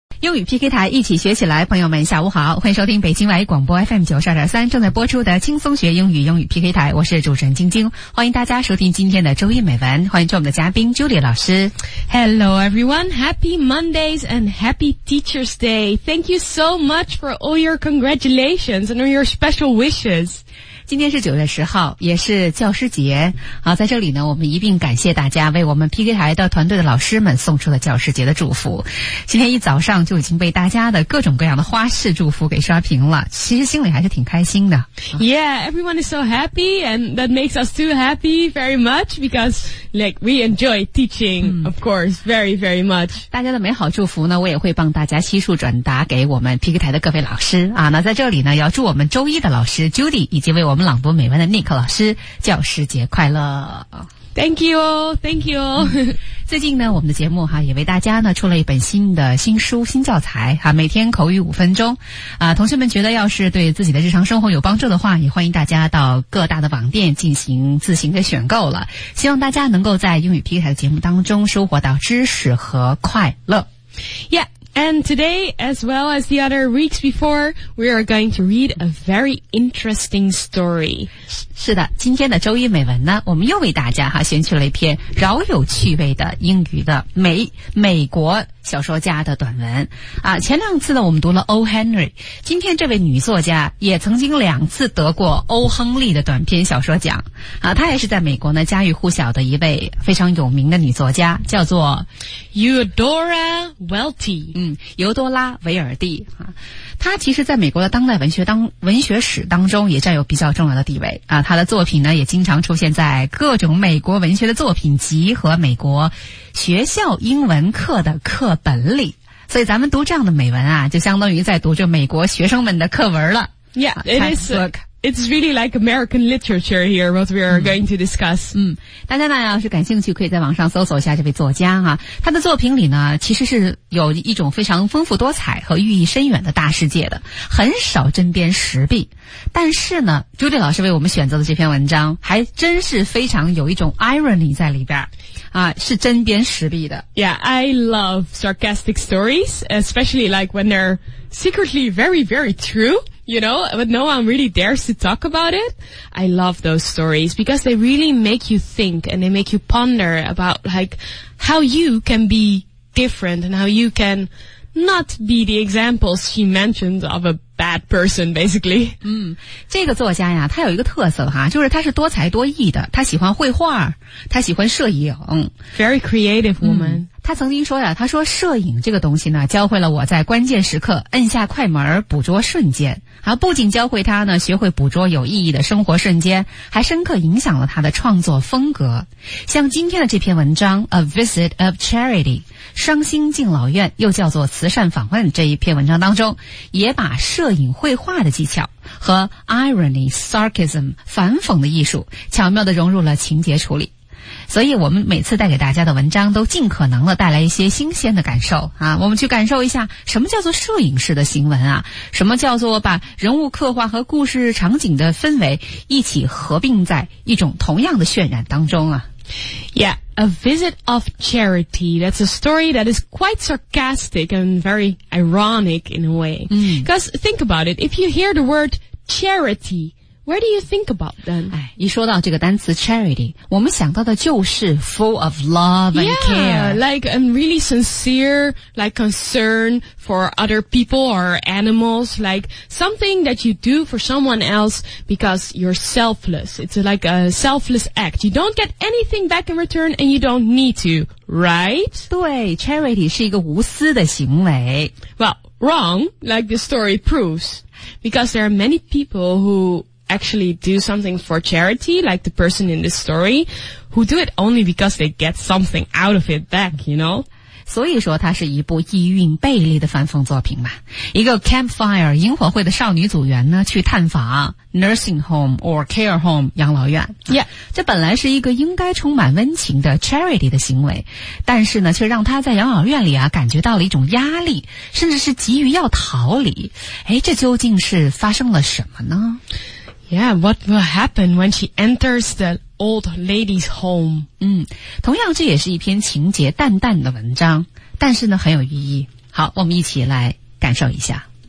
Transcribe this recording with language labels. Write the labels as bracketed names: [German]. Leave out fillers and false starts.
[Chinese] 英语 PK 台一起学起来，朋友们下午好，欢迎收听北京外语广播 FM92.3 正在播出的轻松学英语，英语 PK 台，我是主持人晶晶，欢迎大家收听今天的周一美文，欢迎做我们的嘉宾 Julia 老师。 [English] Hello everyone, Happy Mondays and Happy Teacher's Day. Thank you so much for all your congratulations and all your special wishes. [Chinese] 今天是9月10号，也是教师节。好，在这里呢，我们一并感谢大家为我们 PK 台的团队的老师们送出了教师节的祝福。今天一早上就已经被大家的各种各样的花式祝福给刷屏了，其实心里还是挺开心的。 [English] Yeah, everyone is so happy, and that makes us too happy very much, because like, we enjoy teaching, of course, very, very much. [Chinese] 大家的美好祝福呢，我也会帮大家悉数转达给我们 PK 台的各位老师。啊，那在这里呢，要祝我们周一的老师 Judy 以及为我们朗读美文的 Nick 老师教师节快乐。 [English] Thank you, thank you. [Chinese] 最近呢，我们的节目哈也为大家呢出了一本新的新书新教材哈，每天口语五分钟啊。同学们觉得要是对自己的日常生活有帮助的话，也欢迎大家到各大的网店进行自行的选购了。希望大家能够在英语 PK 台的节目当中收获到知识和快乐。 [English] Yeah. And today, as well as the other weeks before, we are going to read a very interesting story. [Chinese] 是的，今天的周一美文呢，我们又为大家哈选取了一篇饶有趣味的英语的美国小说家的短文。啊，前两次呢，我们读了 O. Henry， 今天这位女作家也曾经两次得过 O. 亨利的短篇小说奖。啊，她也是在美国呢家喻户晓的一位非常有名的女作家，叫做 [English] Eudora Welty。 [Chinese] 尤多拉·韦尔蒂，他其实在美国的当代文学史当中也占有比较重要的地位啊。他的作品呢也经常出现在各种美国文学的作品集和美国学校英文课的课本里，所以咱们读这样的美文啊，就相当于在读着美国学生们的课文了。 [English] Yeah, it is book. It's really like American literature here, what we are going to discuss. [Chinese] 大家呢要是感兴趣可以在网上搜索一下这位作家啊，他的作品里呢其实是有一种非常丰富多彩和寓意深远的大世界的，很少针砭时弊。但是呢，朱莉老师为我们选择的这篇文章还真是非常有一种 irony 在里边啊，是针砭时弊的。 [English] Yeah, I love sarcastic stories, especially like when they're secretly very, very true, you know, but no one really dares to talk about it. I love those stories because they really make you think and they make you ponder about like how you can be different and how you can not be the examples she mentioned of a bad person, basically. [Chinese] 这个作家呀，他有一个特色哈，就是他是多才多艺的，他喜欢绘画，他喜欢摄影。 [English] Very creative woman. [Chinese] 他曾经说呀，他说摄影这个东西呢，教会了我在关键时刻摁下快门捕捉瞬间。啊，不仅教会他呢学会捕捉有意义的生活瞬间，还深刻影响了他的创作风格。像今天的这篇文章 A Visit of Charity， 伤心敬老院又叫做慈善访问，这一篇文章当中也把摄影绘画的技巧和 irony sarcasm 反讽的艺术巧妙地融入了情节处理。所以我们每次带给大家的文章都尽可能的带来一些新鲜的感受啊，我们去感受一下什么叫做摄影式的行文啊，什么叫做把人物刻画和故事场景的氛围一起合并在一种同样的渲染当中啊。 [English] Yeah, A Visit of Charity, that's a story that is quite sarcastic and very ironic in a way. Because think about it, if you hear the word charityWhere do you think about then? 一说到这个单词 charity, 我们想到的就是 full of love and care. Yeah, like a really sincere, like concern for other people or animals, like something that you do for someone else because you're selfless. It's like a selfless act. You don't get anything back in return and you don't need to, right? [Chinese] 对 ,charity 是一个无私的行为。 [English] Well, wrong, like the story proves, because there are many people whoho actually do something for charity, like the person in this story, who do it only because they get something out of it back, you know? [Chinese] 所以说它是一部意蕴背离的反讽作品嘛。一个 campfire, 萤火会的少女组员呢去探访 [English] nursing home or care home, [Chinese] 养老院。 [English] Yeah. [Chinese] 这本来是一个应该充满温情的 charity 的行为，但是呢却让她在养老院里啊感觉到了一种压力，甚至是急于要逃离。诶，这究竟是发生了什么呢？ [English] Yeah, what will happen when she enters the old lady's home? [Chinese] 同样这也是一篇情节淡淡的文章，但是呢很有寓意。好，我们一起来感受一下。